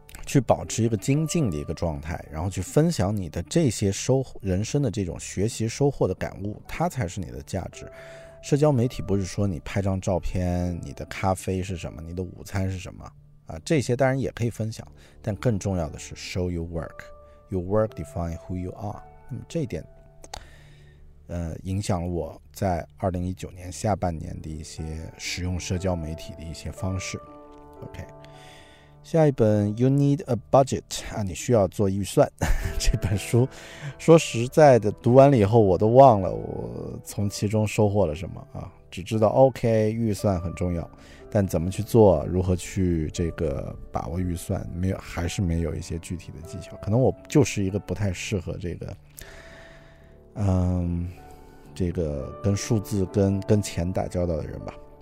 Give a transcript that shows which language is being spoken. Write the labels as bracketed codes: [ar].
[zh] 去保持一个精进的一个状态，然后去分享你的这些收获，人生的这种学习收获的感悟，它才是你的价值。社交媒体不是说你拍张照片，你的咖啡是什么，你的午餐是什么啊？这些当然也可以分享，但更重要的是 [en] show your work， your work define who you are。 [zh] 那么这一点影响了我在2019年下半年的一些使用社交媒体的一些方式。 OK， 下一本 You Need a Budget 啊，你需要做预算。这本书说实在的，读完了以后我都忘了我从其中收获了什么啊，只知道 OK 预算很重要，但怎么去做，如何去这个把握预算，没有，还是没有一些具体的技巧。可能我就是一个不太适合这个这个跟数字跟钱打交道的人吧。